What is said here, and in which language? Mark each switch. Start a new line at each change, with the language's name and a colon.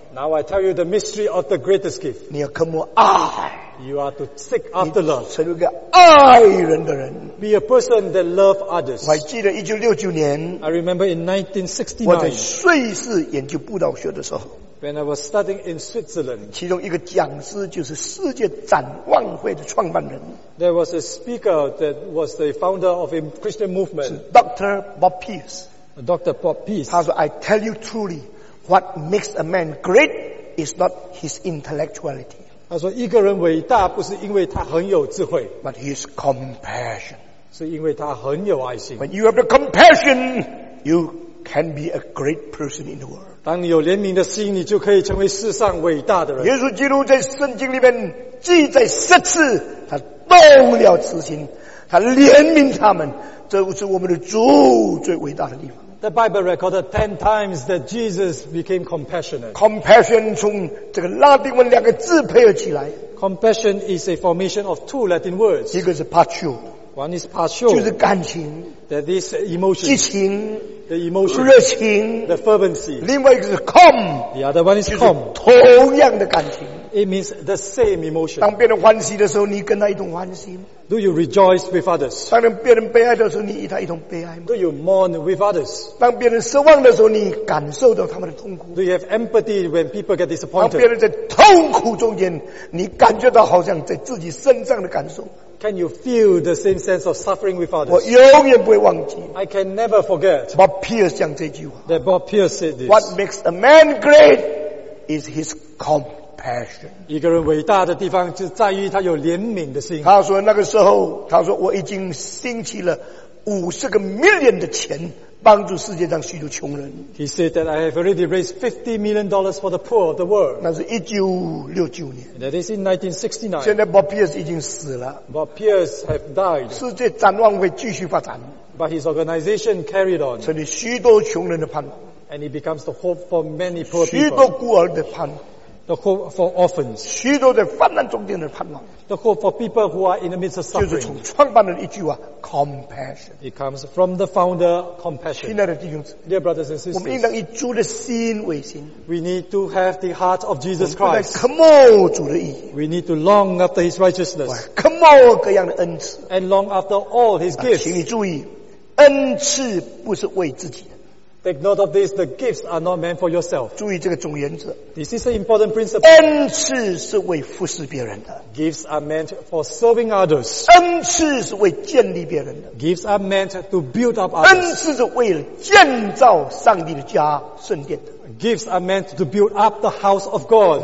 English: Now I tell you the mystery of the greatest gift.
Chinese: 你要渴慕爱。
English: You are to seek after love.
Chinese: 成为一个爱人的人。
English: Be a person that loves others.
Chinese: 我还记得1969年。
English: I remember in 1969.
Chinese: 我在瑞士研究布道学的时候。
English: When I was studying in Switzerland.
Chinese: 其中一个讲师就是世界展望会的创办人。
English: There was a speaker that was the founder of a Christian movement.
Chinese: 是 Dr. Bob Pease.
English: Dr. Bob Pease.
Chinese: 他说
English: I tell you truly, what makes a man great is not his intellectuality.
Chinese: 他说一个人伟大不是因为他很有智慧
English: But his compassion
Chinese: 是因为他很有爱心
English: When you have the compassion You can be a great person in the world
Chinese: 当你有怜悯的心你就可以成为世上伟大的人耶稣基督在圣经里面记载十次他动了慈心他怜悯他们这是我们的主最伟大的地方
English: The Bible recorded 10 times that Jesus became compassionate.
Chinese: Compassion 从这个拉丁文两个字配合起来。
English: Compassion is a formation of two Latin words.
Chinese: 一个是 patio.
English: One is patio.
Chinese: 就是感情。
English: That is emotion.
Chinese: 激情。
English: The emotion.
Chinese: 热情。
English: The fervency.
Chinese: 另外一个是 com.
English: The other one is com.
Chinese: 就是同样的感情。
English: It means the same emotion.
Chinese: 当别人欢喜的时候，你跟他一同欢喜。
English: Do you rejoice with others?
Chinese: 当别人悲哀的时候，你与他一同悲哀吗？
English: Do you mourn with others?
Chinese: 当别人失望的时候，你感受到他们的痛苦。
English: Do you have empathy when people get disappointed?
Chinese: 当别人在痛苦中间，你感觉到好像在自己身上的感受。
English: Can you feel the same sense of suffering with others?
Chinese: 我永远不会忘记。
English: I can never forget.
Chinese: Bob Pierce 讲这句话。
English: That Bob Pierce said this. What makes a man great is his compassion.
Chinese: 一个人伟大的地方就在于他有怜悯的心。他说那个时候，他说我已经兴起了$50 million的钱。帮助世界上许多穷人。
English: He said that I have already raised $50 million for the poor of the world.
Chinese: 那是1969年。
English: And that is in 1969.
Chinese: 现在 Bob Pierce 已经死了。
English: Bob Pierce have died.
Chinese: 世界展望会继续发展。
English: But his organization carried on.
Chinese: 成为许多穷人的盼望。
English: And it becomes the hope for many poor people.
Chinese: 许多孤儿的盼望。
English: The hope for orphans.
Chinese: 许多在患难中间的盼望。
English: The hope for people who are in the midst of suffering.
Chinese: 就是从创办人一句话 compassion.
English: It comes from the founder, compassion.
Chinese: 亲爱的弟兄姊妹
English: Dear brothers and sisters.
Chinese: 我们应当以主的心为心。
English: We need to have the heart of Jesus Christ.
Chinese: 我们应当渴慕主的义。
English: We need to long after his righteousness.
Chinese: 渴慕各样的恩赐。
English: And long after all his gifts.
Chinese: 请你注意，恩赐不是为自己。
English: Take note of this, the gifts are not meant for yourself.
Chinese: 注意这个总原则。
English: This is an important principle.
Chinese: 恩赐是为服侍别人的。
English: Gifts are meant for serving others.
Chinese: 恩赐是为建立别人的。
English: Gifts are meant to build up others.
Chinese: 恩赐是为了建造上帝的家，圣殿的。
English: Gifts are meant to build up the house of God.